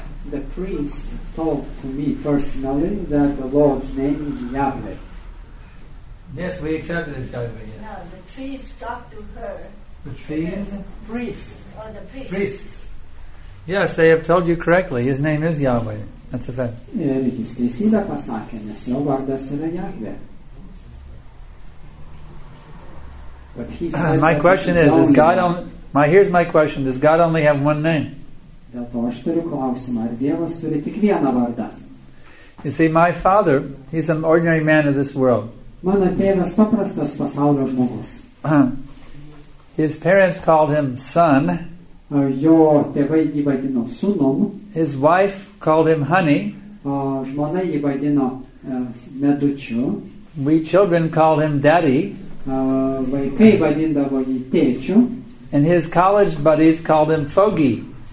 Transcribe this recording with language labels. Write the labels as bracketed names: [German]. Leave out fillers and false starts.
[English] The priest told to me personally that the Lord's name is Yahweh. Yes, we accepted it, Yahweh. No, the priest talked to her. The tree is a priest. Oh, the priest. Priests. Yes, they have told you correctly. His name is Yahweh. That's a fact. [Lithuanian] Jis teisybę pasakė, nes jo vardas yra Yahweh. [English] But he said my question is God only... here's my question. Does God only have one name? [Lithuanian] Dėl to aš turiu klausimą. Ar Dievas turi tik vieną vardą? [English] You see, my father, he's an ordinary man of this world. [Lithuanian] Mano tėvas paprastas pasaulio žmogus. [English] His parents called him son. [Lithuanian] Jo tėvai jį vadino sūnum. [English] His wife called him honey. [Lithuanian] Žmona jį vadino medučiu. [English] We children called him daddy. [Lithuanian] Vaikai vadindavo jį tėčiu. [English] And his college buddies called him Fogey.